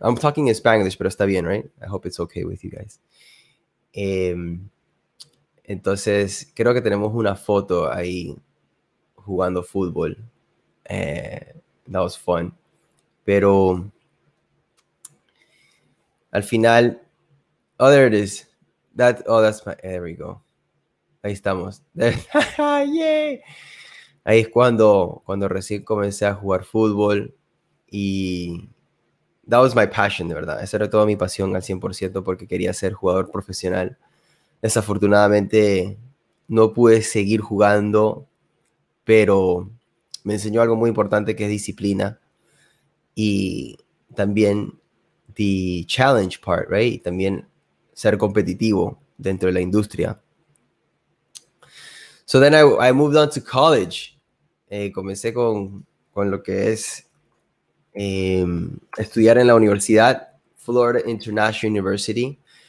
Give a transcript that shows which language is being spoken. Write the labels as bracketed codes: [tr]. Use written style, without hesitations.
[en] I'm talking in Spanish, [es] pero está bien, [en] right? I hope it's okay with you guys. [es] Entonces, creo que tenemos una foto ahí jugando fútbol. [en] That was fun. [es] Pero al final, [en] oh, there it is. There we go. [es] Ahí estamos. [en] Yay! [es] Ahí es cuando recién comencé a jugar fútbol. [en] Y that was my passion, [es] de verdad. Esa era toda mi pasión al 100% porque quería ser jugador profesional. Desafortunadamente, no pude seguir jugando, pero me enseñó algo muy importante que es disciplina. Y también [en] the challenge part, right? [es] También ser competitivo dentro de la industria. [en] So then I moved on to college. [es] Comencé con lo que es estudiar en la universidad, Florida International University.